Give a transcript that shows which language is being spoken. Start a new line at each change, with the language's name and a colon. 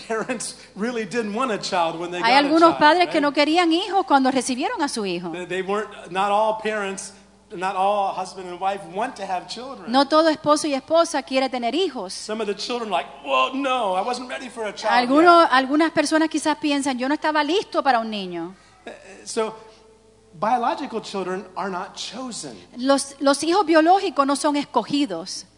English: Parents really didn't want a child when they
Spanish: hay
English: got
Spanish: algunos
English: a child,
Spanish: padres
English: right?
Spanish: Que no querían hijos cuando recibieron a su hijo.
English: They weren't not all parents, not all husband and wife want to have children.
Spanish: No todo esposo y esposa quiere tener hijos.
English: Some of the children are like, well, no, I wasn't ready for a child.
Spanish: Algunas personas quizás piensan, yo no estaba listo para un niño.
English: So biological children are not chosen.
Spanish: Los hijos biológicos no son escogidos.